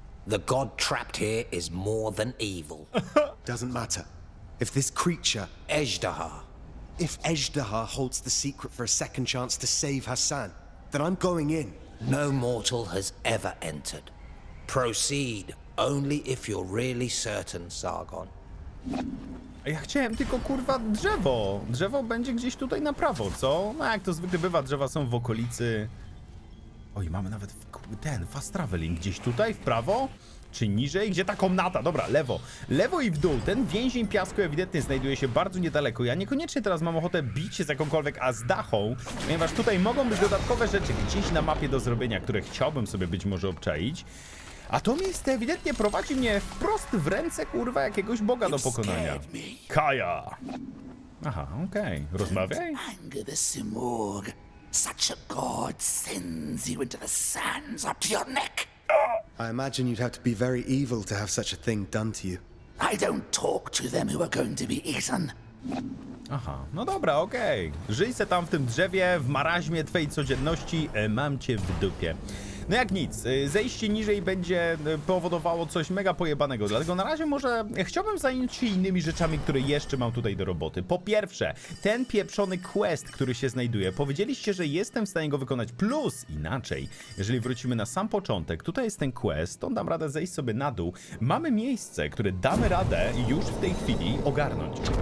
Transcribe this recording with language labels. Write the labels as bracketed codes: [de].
[en] The god trapped here is more than evil. Doesn't matter. If this creature, Ezdaha, if Ezdaha holds the secret for a second chance to save Hassan, then I'm going in. No mortal has ever entered. Proceed, only if you're really certain, Sargon. [pl] Ja chciałem tylko, kurwa, drzewo. Drzewo będzie gdzieś tutaj na prawo, co? No jak to zwykle bywa, drzewa są w okolicy. Oj, mamy nawet ten fast traveling gdzieś tutaj, w prawo? Czy niżej? Gdzie ta komnata? Dobra, lewo. Lewo i w dół. Ten więzień piasku ewidentnie znajduje się bardzo niedaleko. Ja niekoniecznie teraz mam ochotę bić się z jakąkolwiek Ezdahą, ponieważ tutaj mogą być dodatkowe rzeczy gdzieś na mapie do zrobienia, które chciałbym sobie być może obczaić. A to miejsce ewidentnie prowadzi mnie wprost w ręce, kurwa, jakiegoś boga do pokonania. Kaja! Aha, okej. Okay. Rozmawiaj. [en] Anger the Simurgh. Such a god sends you into the sands up to your neck. I imagine you'd have to be very evil to have such a thing done to you. I don't talk to them who are going to be eaten. [pl] Aha, no dobra, okej. Okay. Żyj se tam w tym drzewie, w maraźmie twojej codzienności. Mam cię w dupie. No jak nic, zejście niżej będzie powodowało coś mega pojebanego, dlatego na razie może chciałbym zająć się innymi rzeczami, które jeszcze mam tutaj do roboty. Po pierwsze, ten pieprzony quest, który się znajduje, powiedzieliście, że jestem w stanie go wykonać, plus inaczej, jeżeli wrócimy na sam początek, tutaj jest ten quest, to dam radę zejść sobie na dół, mamy miejsce, które damy radę już w tej chwili ogarnąć.